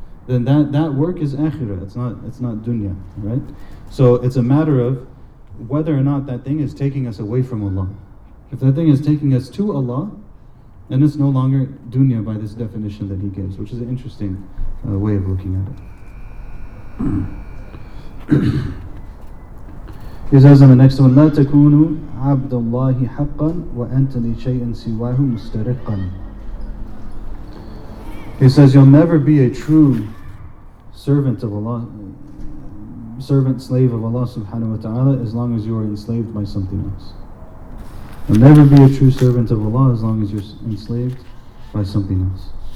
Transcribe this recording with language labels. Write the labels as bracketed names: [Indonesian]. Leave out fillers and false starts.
[English] Then that work is akhirah. It's not dunya, right? So it's a matter of whether or not that thing is taking us away from Allah. If that thing is taking us to Allah, then it's no longer dunya by this definition that he gives, which is an interesting way of looking at it. He says in the next one, [Arabic] لَا تَكُونُوا عَبْدَ اللَّهِ حَقًّا وَأَنْتَ لِشَيْءٍ سِوَاهُ مُسْتَرِقًا. [English] He says, you'll never be a true servant of Allah, servant, slave of Allah subhanahu wa ta'ala, as long as you are enslaved by something else. You'll never be a true servant of Allah as long as you're enslaved by something else.